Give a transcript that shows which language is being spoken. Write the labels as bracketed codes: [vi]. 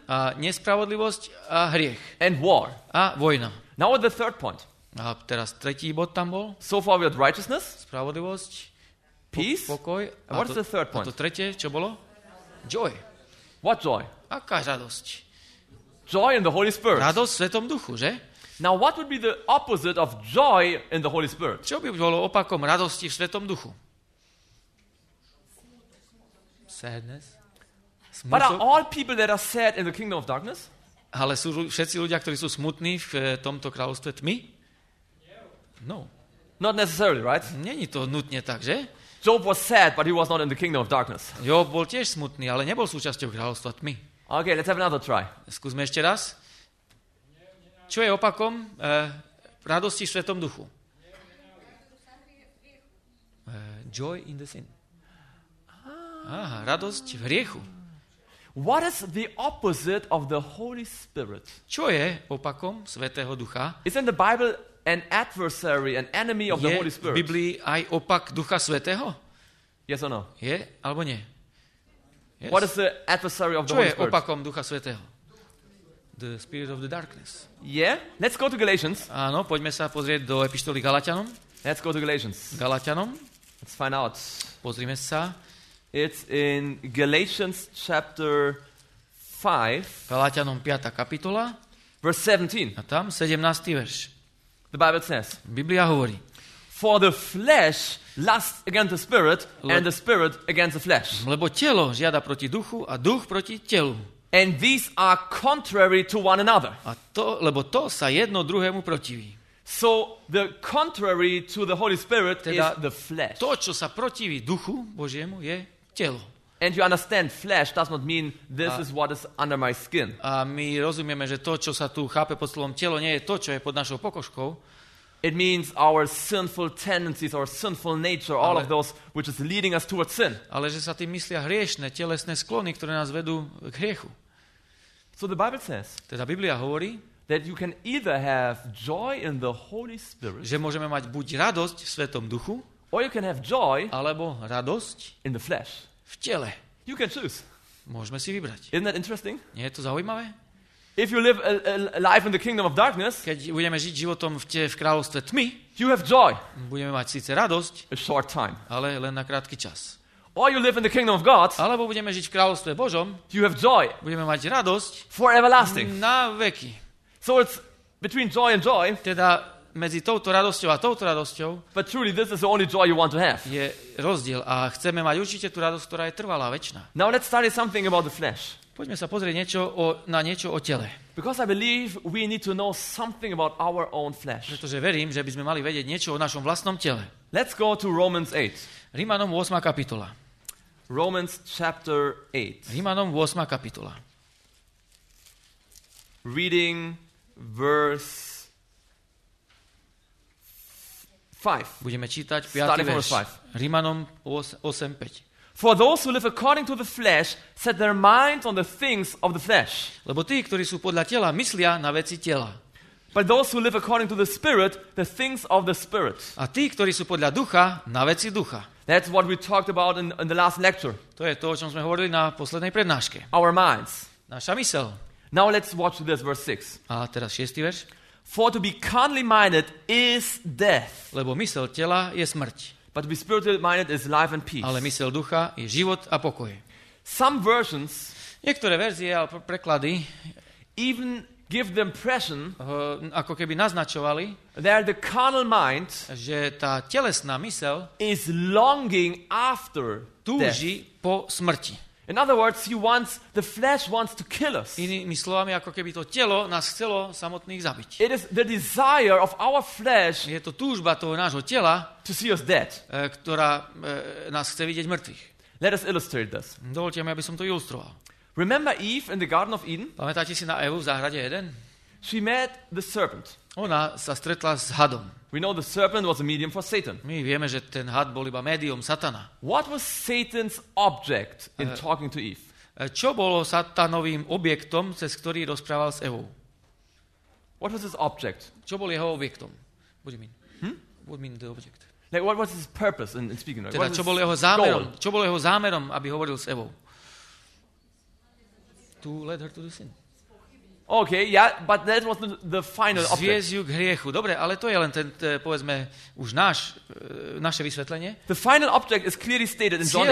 [sk] A nespravodlivosť a hriech. [en] And war. [sk] A vojna. [en] Now with the third point. [sk] A teraz tretí bod tam bol. [en] So far we had righteousness. [sk] Spravodlivosť. [en] Peace. [sk] Pokoj. [en] And what's the third point? [sk] A to tretie, čo bolo? Joy. [en] What joy? [sk] Aká radosť? [en] Joy in the Holy Spirit. [sk] Radosť v Svätom Duchu, že? [en] Now what would be the opposite of joy in the Holy Spirit? [sk] Čo by bolo opakom radosti v Svätom Duchu? [en] Sadness. But are all people that are sad in the kingdom of darkness? [sk] Ale sú všetci ľudia, ktorí sú smutní v tomto kráľovstve tmy? [en] No. Not necessarily, right? [sk] Není to nutne tak, že? [en] Job was sad, but he was not in the kingdom of darkness. [sk] Job bol tiež smutný, ale nebol súčasťou kráľovstva tmy. [en] Okay, let's have another try. [sk] Skúsme ešte raz. Čo je opakom radosti v Svätom Duchu? [en] Joy in the sin. [sk] Aha, radosť v hriechu. [en] What is the opposite of the Holy Spirit? [sk] Čo je opakom Svätého Ducha? [en] Isn't the Bible an adversary, an enemy of the Holy Spirit? [sk] Je v Biblii aj opak Ducha Svätého? [en] Yes or no? [sk] Je alebo nie? [en] Yes. What is the adversary of the Holy Spirit? [sk] Čo je opakom Ducha Svätého? [en] The spirit of the darkness. Yeah? Let's go to Galatians. [sk] Áno, poďme sa pozrieť do epištoly Galatianom. [en] Let's go to Galatians. [sk] Galatianom. [en] Let's find out. [sk] Pozrime sa. [en] It's in Galatians chapter 5. [sk] Galatianom 5. kapitola. [en] Verse 17. [sk] A tam 17. verš. [en] The Bible says. [sk] Biblia hovorí. [en] For the flesh lusts against the spirit and the spirit against the flesh. [sk] Lebo telo žiada proti duchu a duch proti telu. [en] And these are contrary to one another. [sk] A to, lebo to sa jedno druhému protiví. [en] So the contrary to the Holy Spirit [sk] teda [en] is the flesh. [sk] To, čo sa protiví duchu Božiemu, je telo. [en] And you understand flesh does not mean this is what is under my skin. [sk] A my rozumieme, že to, čo sa tu chápe pod slovom telo, nie je to, čo je pod našou pokožkou. [en] It means our sinful tendencies, our sinful nature, all of those which is leading us towards sin. [sk] Ale že sa tým myslia hriešne, telesné sklony, ktoré nás vedú k hriechu. [en] So the Bible says. [sk] Teda Biblia hovorí, [en] that you can either have joy in the Holy Spirit. [sk] Že môžeme mať buď radosť v Svätom Duchu, [en] or you can have joy, [sk] alebo radosť [en] in the flesh. [sk] V tele. [en] You can choose. [sk] Môžeme si vybrať. [en] Isn't that interesting? [sk] Nie je to zaujímavé? [en] If you live a life in the kingdom of darkness, [sk] keď budeme žiť životom v kráľovstve tmy, [en] you have joy. [sk] Budeme mať síce radosť, [en] a short time. [sk] Ale len na krátky čas. [en] Or you live in the kingdom of God, [sk] alebo budeme žiť v kráľovstve Božom, [en] you have joy. [sk] Budeme mať radosť, [en] for everlasting. [sk] Na veky. [en] So it's between joy and joy, [sk] teda medzi touto radosťou a touto radosťou, [en] but truly this is the only joy you want to have. [sk] Je rozdiel a chceme mať určite tú radosť, ktorá je trvalá, večná. [en] Now let's study something about the flesh. [sk] Poďme sa pozrieť niečo na niečo o tele. [en] Because I believe we need to know something about our own flesh. [sk] Pretože verím, že by sme mali vedieť niečo o našom vlastnom tele. [en] Let's go to Romans 8. [sk] Rímanom 8. kapitola. [en] Romans chapter 8. [sk] Rímanom 8. kapitola. [en] Reading verse 5. [sk] Budeme čítať 5. verš. Rímanom 8:5. [en] For those who live according to the flesh set their minds on the things of the flesh. [sk] Lebo tí, ktorí sú podľa tela, myslia na veci tela. [en] But those who live according to the spirit, the things of the spirit. [sk] A tí, ktorí sú podľa ducha, na veci ducha. [en] That's what we talked about in the last lecture. [sk] To je to, o čom sme hovorili na poslednej prednáške. [en] Our minds. [sk] Naša mysel. [en] Now let's watch this verse 6. [sk] A teraz 6. verš. [en] For to be carnally minded is death. [sk] Lebo mysel tela je smrť. [en] But to be spiritually minded is life and peace. [sk] Ale mysel ducha je život a pokoj. [en] Some versions, [sk] niektoré verzie alebo preklady, [en] even give the impression, [sk] ako keby naznačovali, [en] that the carnal mind, [sk] že tá telesná mysel, [en] is longing after, [sk] túži po smrti. [en] In other words, he wants the flesh wants to kill us. [sk] Inými slovami, ako keby to telo nás chcelo samotných zabiť. [en] It is the desire of our flesh. [sk] Je to túžba toho nášho tela, [en] to see us dead. [sk] Ktorá nás chce vidieť mŕtvych. [en] Let us illustrate this. [sk] Dovolte mi, aby som to ilustroval. [en] Remember Eve in the Garden of Eden? [sk] Pamätáte si na Evu v záhrade Eden? [en] She met the serpent. [sk] Ona sa stretla s hadom. [en] We know the serpent was a medium for Satan. [sk] My vieme, že ten had bol iba médium Satana. [en] What was Satan's object in talking to Eve? [sk] Čo bolo Satanovým objektom, cez ktorý rozprával s Evou? [en] What was his object? [sk] Čo bol jeho objektom? [en] What do you mean the object? Like what was his purpose in speaking? [sk] Teda, čo bol jeho zámerom? Goal? Čo bol jeho zámerom, aby hovoril s Evou? [en] To lead her to the sin. Okay, yeah, but that was the final object. [sk] Zviesť ju k hriechu. Dobre, ale to je len ten, povedzme, už naše vysvetlenie. [en] The final object is clearly stated in John